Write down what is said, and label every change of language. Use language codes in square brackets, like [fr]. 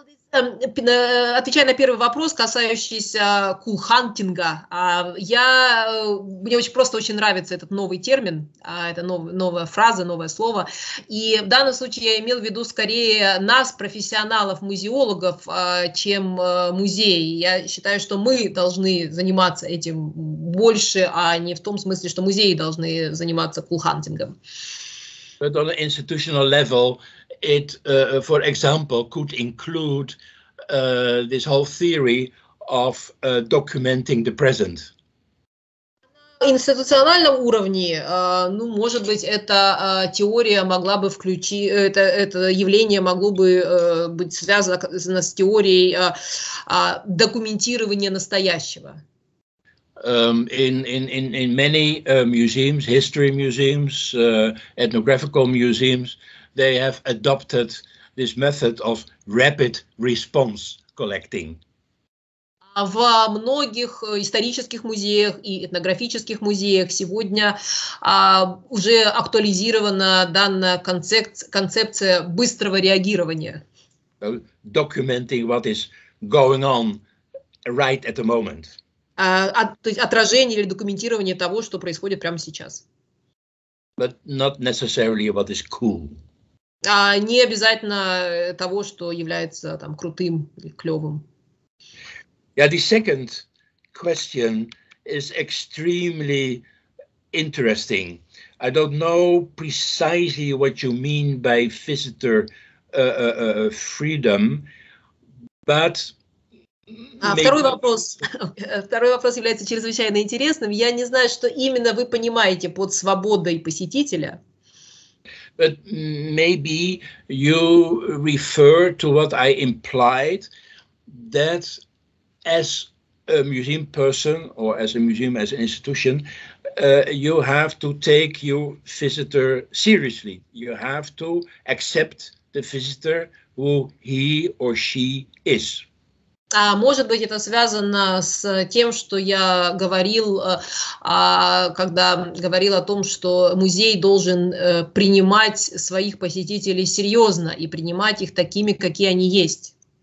[ru] Отвечая на первый вопрос, касающийся кулхантинга, мне очень просто очень нравится этот новый термин, это новая фраза, новое слово, и в данном случае я имел в виду скорее нас, профессионалов, музеологов, чем музеи. Я считаю, что мы должны заниматься этим больше, а не в том смысле, что музеи должны заниматься кулхантингом. [en] But on an institutional level, it, for example, could include this whole theory of documenting the present. [ru] Институциональном уровне, ну, может быть, эта теория могла бы включить, это явление могло бы быть связано с теорией документирования настоящего. [en] In many museums, history museums, ethnographical museums, they have adopted this method of rapid response collecting. [ru] В многих исторических музеях и этнографических музеях сегодня уже актуализирована данная концепция быстрого реагирования. [en] Documenting what is going on right at the moment. [ru] Отражение или документирование того, что происходит прямо сейчас. [en] But not necessarily what is cool. [ru] Не обязательно того, что является там крутым или клёвым. [en] Yeah, the second question is extremely interesting. I don't know precisely what you mean by visitor freedom, but [ru] Второй вопрос является чрезвычайно интересным. Я не знаю, что именно вы понимаете под свободой посетителя. [en] But maybe you refer to what I implied, that as a museum person or as a museum, as an institution, you have to take your visitor seriously. You have to accept the visitor who he or she is. [ru] Может быть, это связано с тем, что я говорил, когда говорил о том, что музей должен принимать своих посетителей серьезно и принимать их такими, какие они есть.